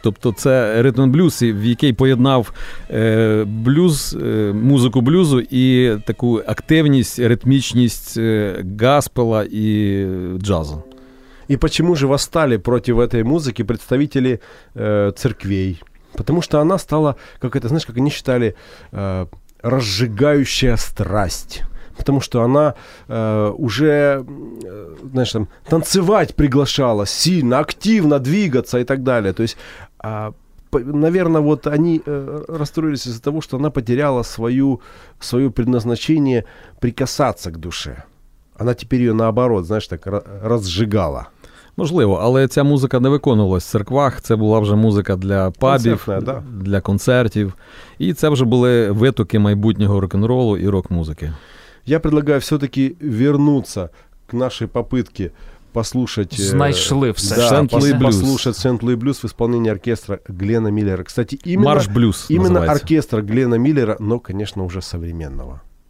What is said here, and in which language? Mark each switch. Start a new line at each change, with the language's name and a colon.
Ukrainian: Тобто це ритм-блюз, в який поєднав блюз, музику блюзу і таку активність, ритмічність гаспела і джазу. І чому ж восстали проти цієї музики представителі церквей? Тому що вона стала, як це, знаєш, як вони вважали, разжигающая страсть.
Russian: Потому что она уже, знаешь, там, танцевать приглашала сильно, активно двигаться и так далее. То есть, наверное, вот они расстроились из-за того, что она потеряла свое предназначение прикасаться к душе. Она теперь ее наоборот, знаешь, так разжигала.
Ukrainian: Можливо, але ця музика не виконувалась в церквах, це була вже музика для пабів, да, для концертів, і це вже були витоки майбутнього рок-н-ролу і рок-музики. Я пропоную все-таки повернутися до нашої попытки послушати... Знайшли все. Да, Сент-Луї Блюз.
Russian: Послушати Сент-Луї Блюз в исполнении оркестра Глена Миллера. Кстати, именно, Марш-блюз именно называется. Именно оркестра Глена Миллера, но, конечно, уже современного.